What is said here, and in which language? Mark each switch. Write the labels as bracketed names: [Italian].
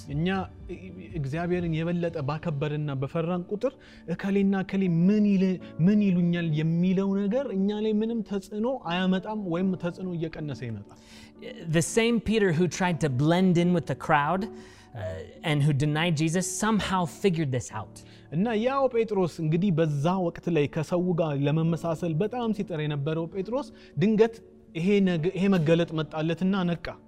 [Amharic] እኛ እግዚአብሔርን የበለጠ ባከበርና በፈራን ቁጥር እከሌና እከሌ ምን ይሉኛል የሚለው ነገር እኛ ላይ ምንም ተጽዕኖ አያመጣም ወይም ተጽዕኖ እየቀነሰ ይመጣል. [English] The same Peter who tried to blend in with the crowd and who denied Jesus somehow figured this out. [Amharic] እና ያው ጴጥሮስ እንግዲህ በዛ ወቅት ላይ ከሰው ጋር ለመመሳሰል በጣም ሲጠረ የነበረው ጴጥሮስ ድንገት ይሄ መገለጥ መጣለትና ነቃ.